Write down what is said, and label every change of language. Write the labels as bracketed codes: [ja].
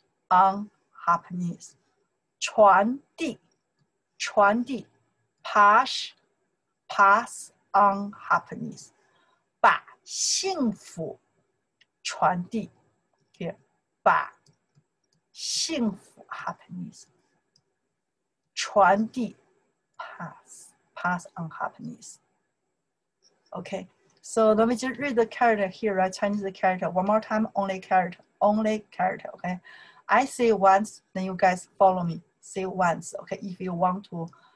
[en] on happiness [zh] 传递 [en] Pass on happiness. [zh] 把幸福传递 [en] Here. [zh] 把幸福 [en] happiness. [zh] 传递 [en] Pass on happiness. Okay. So let me just read the character here, right? Chinese character. One more time. Only character. Okay. I say once, then you guys follow me. Say once. Okay. If you want to.